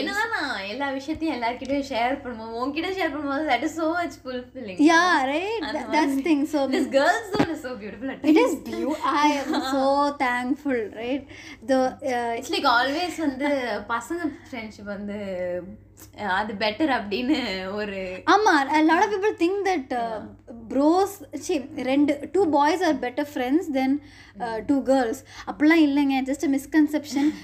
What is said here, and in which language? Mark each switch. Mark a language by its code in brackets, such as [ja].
[ta] என்னன்னா எல்லா விஷயத்தையும் எல்லார்கிட்டயும் ஷேர் பண்ணுவோம். உங்ககிட்ட ஷேர் பண்ணும்போது [en] that is so much fulfilling. Yeah, right? That's the thing. So, this girl's zone is so beautiful. It is beautiful. I am so thankful, right? The, it's like always [ta] வந்து பசங்க friendship வந்து அது better அப்படின்னு ஒரு [en] ஆமா a lot of people think that bros two boys are better friends than two girls. [ta] அப்படிலாம் இல்லைங்க, [en] just a misconception.